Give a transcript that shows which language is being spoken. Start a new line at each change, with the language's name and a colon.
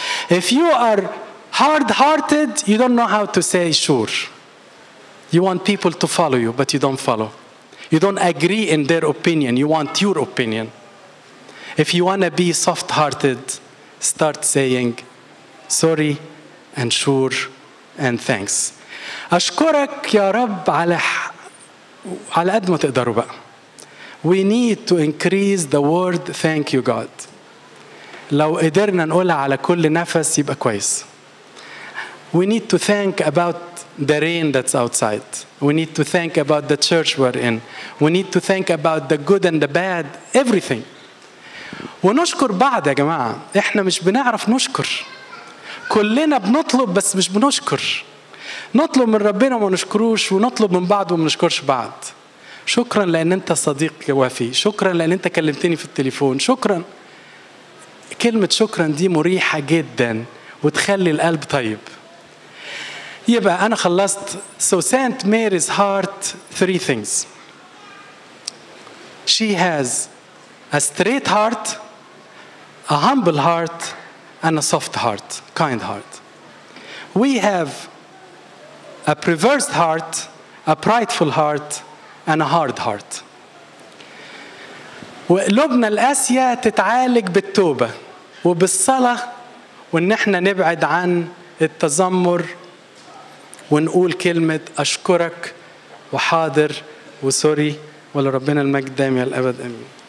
English: If you are hard-hearted, you don't know how to say sure. You want people to follow you, but you don't follow. You don't agree in their opinion, you want your opinion. If you want to be soft-hearted, start saying sorry and sure and thanks.
Arabic: أشكرك يا رب على قد ما تقدروا بقى.
English: We need to increase the word thank you God.
Arabic: لو قدرنا نقولها على كل نفس يبقى كويس.
English: We need to thank about the rain that's outside. We need to thank about the church we're in. We need to thank about the good and the bad, everything.
Arabic: ونشكر بعض يا جماعة، احنا مش بنعرف نشكر. كلنا بنطلب بس مش بنشكر. نطلب من ربنا وما نشكروش، ونطلب من بعض وما نشكرش بعض. شكرا لان انت صديق وفي، شكرا لان انت كلمتني في التليفون، شكرا. كلمة شكرا دي مريحة جدا وتخلي القلب طيب. يبقى أنا خلصت.
English: So Saint Mary's heart, three things. She has a straight heart, a humble heart, and a soft heart, kind heart. We have a perverse heart, a prideful heart, and a hard heart.
Arabic: وقلوبنا القاسية تتعالج بالتوبة وبالصلاة، وإن إحنا نبعد عن التذمر ونقول كلمة أشكرك وحاضر وسوري، ولربنا المجد دائما للأبد أمين.